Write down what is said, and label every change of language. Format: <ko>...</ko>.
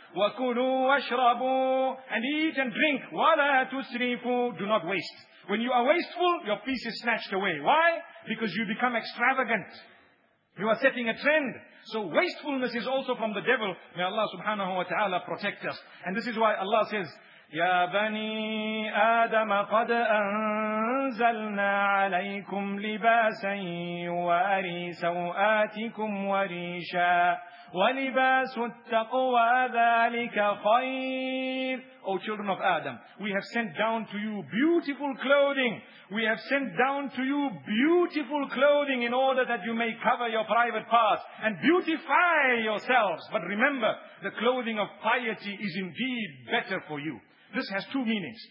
<ar>وَكُلُوا وَاشْرَبُوا.</ar> <en>And eat and drink.</en> <ar>وَلَا تُسْرِفُوا.</ar> <en>Do not waste. When you are wasteful, your peace is snatched away. Why? Because you become extravagant. You are setting a trend. So wastefulness is also from the devil. May Allah subhanahu wa ta'ala protect us. And this is why Allah says,</en> <ar>Ya Bani Adam, قَدْ أَنزَلْنَا عَلَيْكُمْ لِبَاسًا يُوَارِي سَوْآتِكُمْ وَرِيشًا وَلِبَاسُ التَّقْوَى ذَلِكَ خَيْرٌ.</ar> <en>O children of Adam, we have sent down to you beautiful clothing. We have sent down to you beautiful clothing in order that you may cover your private parts and beautify yourselves. But remember, the clothing of piety is indeed better for you. This has two meanings.</en>